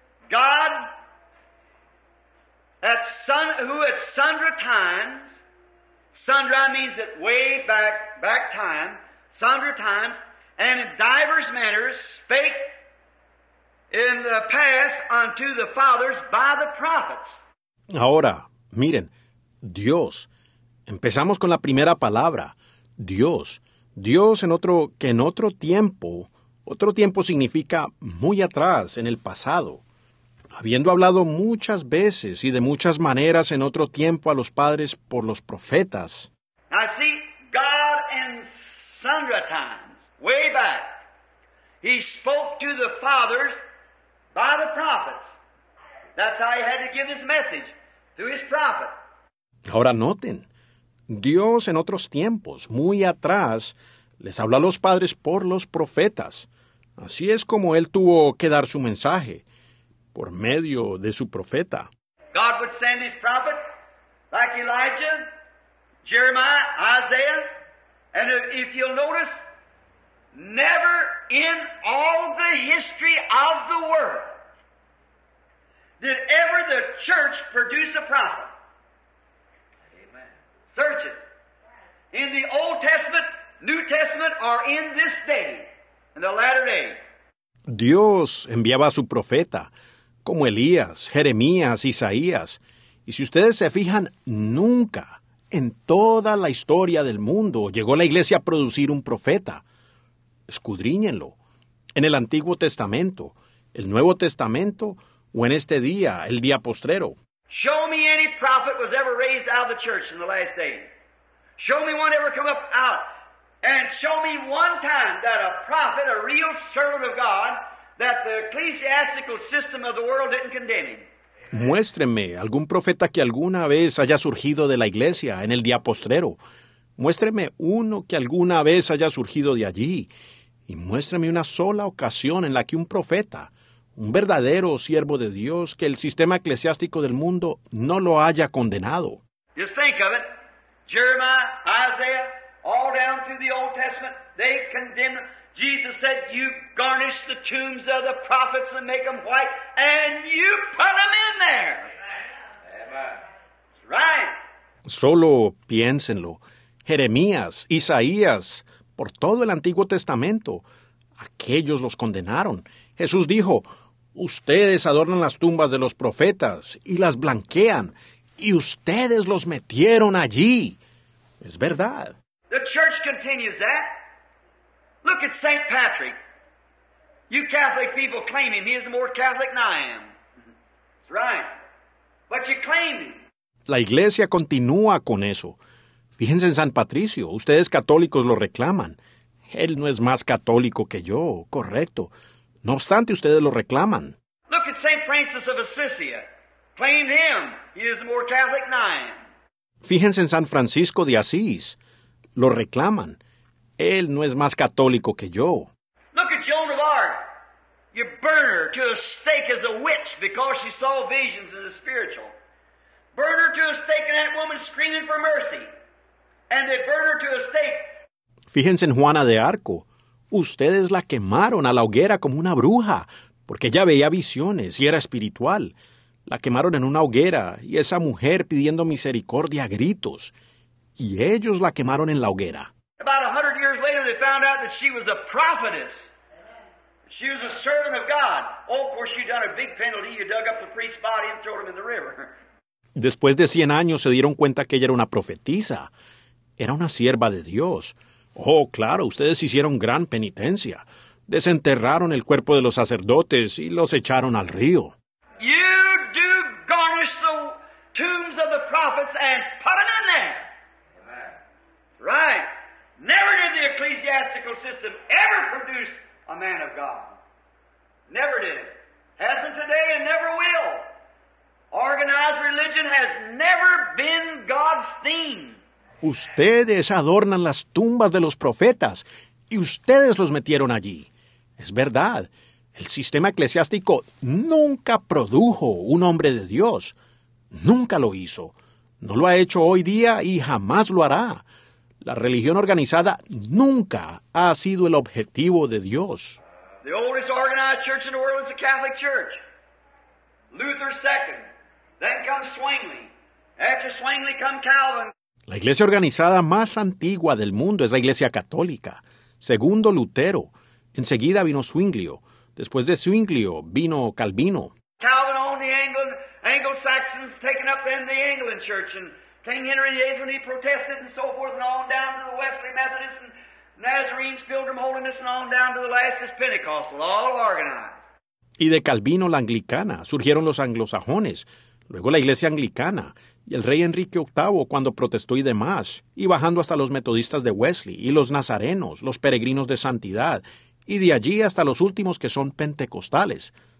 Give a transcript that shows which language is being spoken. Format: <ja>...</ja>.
<en>God, at sun, who at sundry times, sundry means that way back time, sundry times, and in divers manners spake in the past unto the fathers by the prophets.</en> <es>Ahora, miren, Dios. Empezamos con la primera palabra, Dios. Dios en otro tiempo significa muy atrás, en el pasado. Habiendo hablado muchas veces y de muchas maneras en otro tiempo a los padres por los profetas.</es> <en>I see God in sundry times, way back. He spoke to the fathers by the prophets. That's how he had to give his message, through his prophet.</en> <es>Ahora noten, Dios en otros tiempos, muy atrás, les habló a los padres por los profetas. Así es como él tuvo que dar su mensaje, por medio de su profeta.</es> <en>God would send his prophet, like Elijah, Jeremiah, Isaiah, and if you'll notice, never in all the history of the world did ever the church produce a prophet. Search it. In the Old Testament, New Testament, or in this day, in the latter day.</en> <es>Dios enviaba a su profeta, como Elías, Jeremías, Isaías. Y si ustedes se fijan, nunca en toda la historia del mundo llegó la iglesia a producir un profeta. Escudriñenlo. En el Antiguo Testamento, el Nuevo Testamento, o en este día, el día postrero.</es> <en>Show me any prophet was ever raised out of the church in the last days. Show me one ever come up out. And show me one time that a prophet, a real servant of God, that the ecclesiastical system of the world didn't condemn him.</en> <es>Muéstrenme algún profeta que alguna vez haya surgido de la iglesia en el día postrero. Muéstrenme uno que alguna vez haya surgido de allí. Y muéstrenme una sola ocasión en la que un profeta, un verdadero siervo de Dios, que el sistema eclesiástico del mundo no lo haya condenado.</es> <en>Just think of it. Jeremiah, Isaiah, all down through the Old Testament, they condemned. Jesus said, you garnish the tombs of the prophets and make them white, and you put them in there. Amen. Right.</en> <es>Solo piénsenlo. Jeremías, Isaías, por todo el Antiguo Testamento, aquellos los condenaron. Jesús dijo, ustedes adornan las tumbas de los profetas y las blanquean, y ustedes los metieron allí. Es verdad.</es> <en>The church continues that. Look at St. Patrick. You Catholic people claim him. He is more Catholic than I am. That's right. But you claim him.</en> <es>La iglesia continúa con eso. Fíjense en San Patricio. Ustedes católicos lo reclaman. Él no es más católico que yo. Correcto. No obstante, ustedes lo reclaman.</es> <en>Look at St. Francis of Assisi. Claim him. He is more Catholic than I am.</en> <es>Fíjense en San Francisco de Asís. Lo reclaman. Él no es más católico que yo.</es> <en>Look at Joan of Arc. You burn her to a stake as a witch because she saw visions in the spiritual. Burn her to a stake and that woman screaming for mercy. And they burn her to a stake.</en> <es>Fíjense en Juana de Arco. Ustedes la quemaron a la hoguera como una bruja, porque ella veía visiones y era espiritual. La quemaron en una hoguera y esa mujer pidiendo misericordia a gritos. Y ellos la quemaron en la hoguera.</es> <en>About 100 years later they found out that she was a prophetess. She was a servant of God. Oh, of course, you've done a big penalty. You dug up the priest's body and threw him in the river.</en> <es>Después de 100 años se dieron cuenta que ella era una profetisa. Era una sierva de Dios. Oh, claro, ustedes hicieron gran penitencia. Desenterraron el cuerpo de los sacerdotes y los echaron al río.</es> <en>You do garnish the tombs of the prophets and put them in there. Right. Never did the ecclesiastical system ever produce a man of God. Never did it. Hasn't today and never will. Organized religion has never been God's theme.</en> <es>Ustedes adornan las tumbas de los profetas y ustedes los metieron allí. Es verdad, el sistema eclesiástico nunca produjo un hombre de Dios. Nunca lo hizo. No lo ha hecho hoy día y jamás lo hará. La religión organizada nunca ha sido el objetivo de Dios.</es> <en>The oldest organized church in the world is the Catholic Church. Luther second. Then comes Zwingli. After Zwingli comes Calvin.</en> <es>La iglesia organizada más antigua del mundo es la Iglesia Católica. Segundo Lutero. Enseguida vino Zwinglio. Después de Zwinglio vino Calvino.</es> <en>Calvin owned the Anglo-Saxons, taking up then the England Church, and King Henry VIII when he protested and so forth, and on down to the Wesley Methodists and Nazarenes, Pilgrim Holiness, and on down to the last is Pentecostal, all organized.</en> <es>Y de Calvino la Anglicana surgieron los anglosajones, luego la Iglesia Anglicana, y el rey Enrique VIII cuando protestó y demás, y bajando hasta los metodistas de Wesley, y los nazarenos, los peregrinos de santidad, y de allí hasta los últimos que son pentecostales.</es>